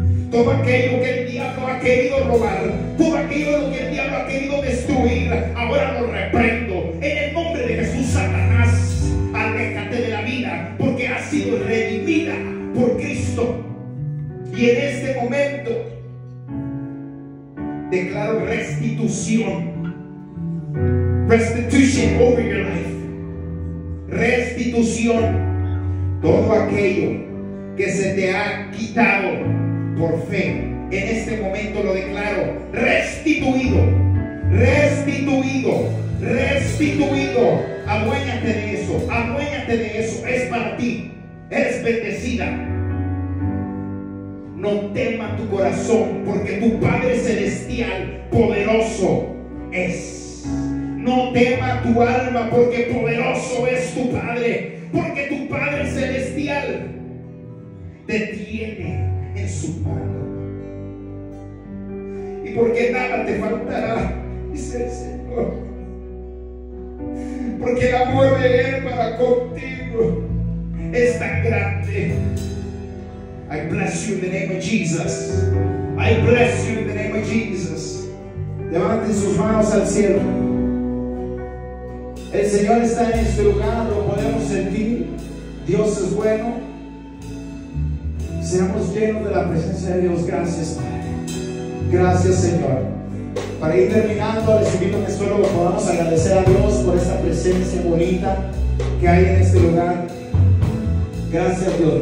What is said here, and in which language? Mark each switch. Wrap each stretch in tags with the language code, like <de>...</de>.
<es>Todo aquello que el diablo ha querido robar, todo aquello que el diablo ha querido destruir, ahora lo reprendo. En el nombre de Jesús, Satanás, aléjate de la vida, porque has sido redimida por Cristo. Y en este momento, declaro restitución.</es> <en>Restitution over your life.</en> <es>Restitución, todo aquello que se te ha quitado, por fe, en este momento lo declaro restituido, restituido, restituido. Aduéñate de eso, aduéñate de eso. Es para ti, eres bendecida. No tema tu corazón, porque tu Padre celestial poderoso es. No tema tu alma, porque poderoso es tu Padre, porque tu Padre celestial te tiene en su mano. Y porque nada te faltará, dice el Señor. Porque el amor de Él para contigo es tan grande.</es> <en>I bless you in the name of Jesus. I bless you in the name of Jesus.</en> <es>Levanten sus manos al cielo. El Señor está en este lugar, lo podemos sentir. Dios es bueno. Seamos llenos de la presencia de Dios. Gracias, Padre. Gracias, Señor. Para ir terminando, les invito a que solo podamos agradecer a Dios por esta presencia bonita que hay en este lugar. Gracias, Dios.</es>